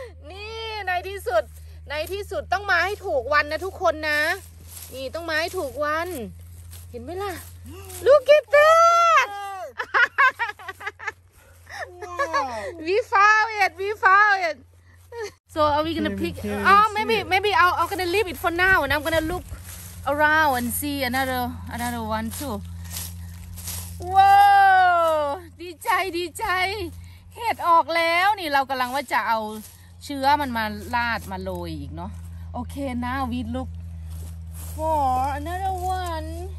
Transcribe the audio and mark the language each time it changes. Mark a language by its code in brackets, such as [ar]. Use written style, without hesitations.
[th] นี่ในที่สุดต้องมาให้ถูกวันนะทุกคนนะนี่ต้องมาให้ถูกวันเห็นไหมล่ะ [en] Look at that We found it So are we gonna pick? Oh, maybe I'm gonna leave it for now, and I'm gonna look around and see another one too. [th] Whoa! ดีใจดีใจเห็ดออกแล้วนี่เรากำลังว่าจะเอาเชื้อมันมาราดมาโรยอีกเนาะ [en] Okay, now we look for another one.